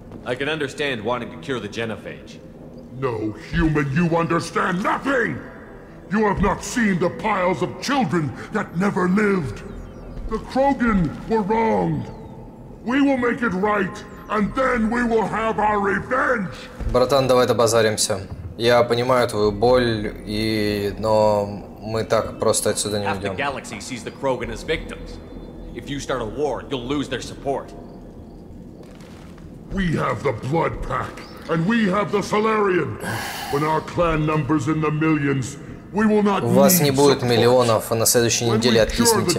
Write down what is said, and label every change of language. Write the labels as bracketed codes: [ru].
[en] I can understand wanting to cure the genophage. No, human, you understand nothing! You have not seen the piles of children that never lived. The Krogan were wronged. We will make it right, and then we will have our revenge! [ru] Братан, давай добазаримся. Я понимаю твою боль, и... но мы так просто отсюда не уйдем. [en] Half the galaxy sees the Krogan as victims. If you start a war, you'll lose their support. We have the blood pact. And we have the Salarian. When our clan numbers in the millions, we will not need. [ru] У вас не будет миллионов, а на следующей неделе откиснете.